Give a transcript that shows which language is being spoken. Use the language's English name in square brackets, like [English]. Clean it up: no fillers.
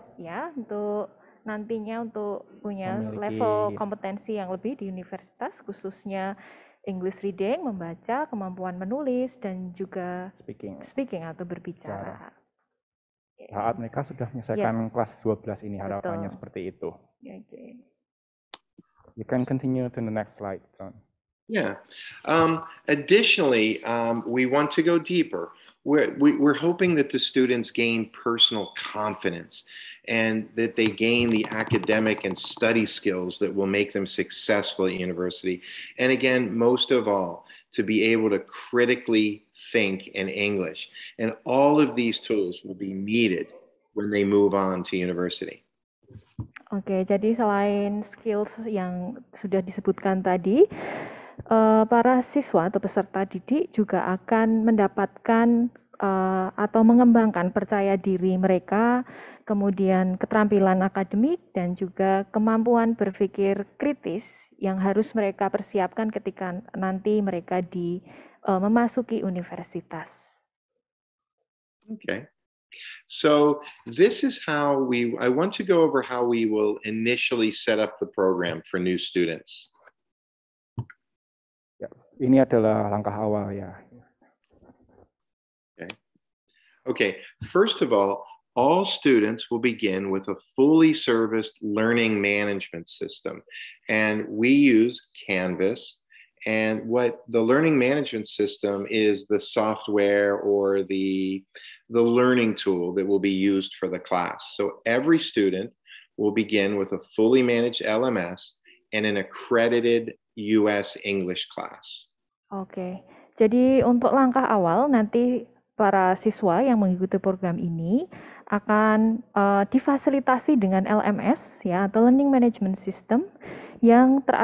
[Indonesian] Ya, untuk nantinya untuk punya level kompetensi yang lebih di universitas, khususnya English reading, membaca, kemampuan menulis, dan juga [English] speaking [Indonesian] atau berbicara. Saat mereka sudah menyelesaikan kelas 12 ini, harapannya seperti itu. [English] Okay. You can continue to the next slide, John. Yeah. Additionally, we want to go deeper. We're hoping that the students gain personal confidence and that they gain the academic and study skills that will make them successful at university. And again, most of all, to be able to critically think in English. And all of these tools will be needed when they move on to university. [Indonesian] Okay, jadi selain skills yang sudah disebutkan tadi, para siswa atau peserta didik juga akan mendapatkan atau mengembangkan percaya diri mereka, kemudian keterampilan akademik, dan juga kemampuan berpikir kritis yang harus mereka persiapkan ketika nanti mereka memasuki universitas. [English] Okay. So this is how I want to go over how we will initially set up the program for new students. [Indonesian] Ya, ini adalah langkah awal ya. [English] Okay, first of all students will begin with a fully serviced learning management system. And we use Canvas. And what the learning management system is, the software or the learning tool that will be used for the class. So every student will begin with a fully managed LMS and an accredited US English class. [Indonesian] Okay, jadi untuk langkah awal nanti para siswa yang mengikuti program ini akan difasilitasi dengan LMS ya, atau Learning Management System, yang